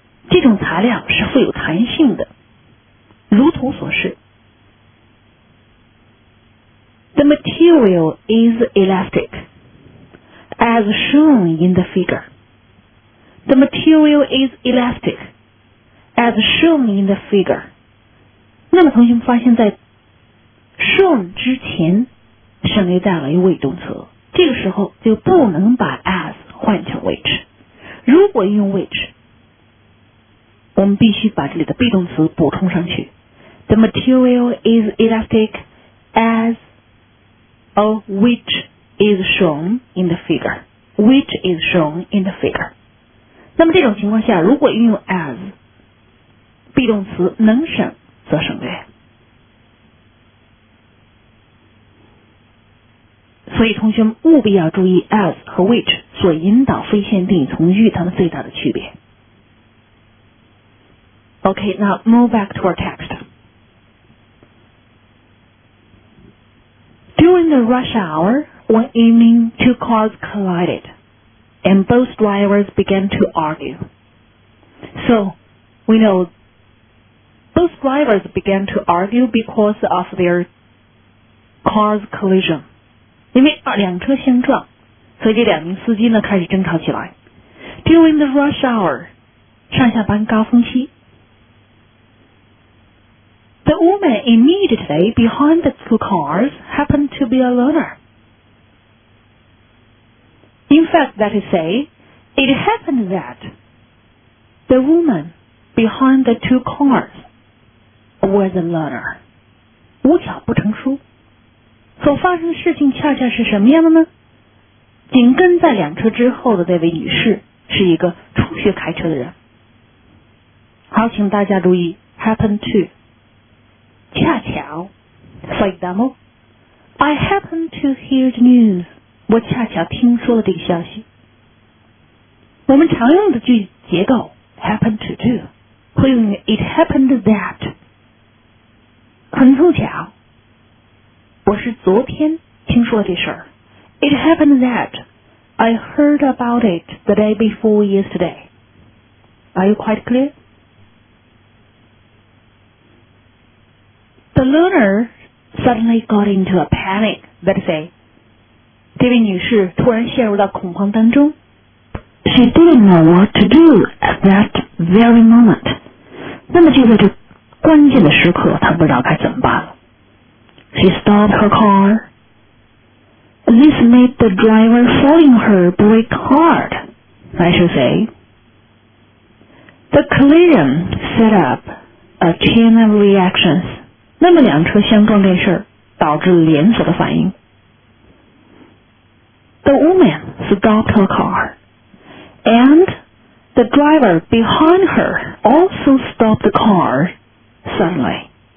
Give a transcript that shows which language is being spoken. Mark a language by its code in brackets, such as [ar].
[zh] 这种材料是富有弹性的，如图所示。 [en] The material is elastic, as shown in the figure. The material is elastic, as shown in the figure. [zh] 那么同学们发现在 shown 之前省略带了一个谓动词，这个时候就不能把 as 换成 which。如果用 which， 我们必须把这里的被动词补充上去。 The material is elastic as of which is shown in the figure. Which is shown in the figure. 那么这种情况下，如果运用 as， 被动词能省则省略。所以同学们务必要注意 as 和 which 所引导非限定语从句它们最大的区别。 [en] OK, now move back to our text. During the rush hour, one evening, two cars collided, and both drivers began to argue. So, we know, both drivers began to argue because of their car's collision. [zh] 因为两车相撞，所以这两名司机呢开始争吵起来。 [en] During the rush hour, [zh] 上下班高峰期， [en] The woman immediately behind the two cars happened to be a loner. In fact, that is say, it happened that the woman behind the two cars was a loner. [zh] 无巧不成书。所发生的事情恰恰是什么样的呢？紧跟在两车之后的那位女士是一个初学开车的人。好，请大家注意 , [en] happened to. [zh] 恰巧 [en] For example, I happen to hear the news. [zh] 我恰巧听说了这个消息。我们常用的句结构 [en] happen to do [zh] 会用于 [en] it happened that. [zh] 很凑巧，我是昨天听说了这事儿。 [en] It happened that I heard about it the day before yesterday. Are you quite clear? The learner suddenly got into a panic, let's say. [zh] 这位女士突然陷入到恐慌当中。 [en] She didn't know what to do at that very moment. [zh] 那么就在这关键的时刻，她不知道该怎么办了。 [en] She stopped her car. This made the driver following her brake hard, I should say. The collision set up a chain of reactions. [zh] 那么两车相撞这事儿导致连锁的反应。 [en] The woman stopped her car, and the driver behind her also stopped the car suddenly.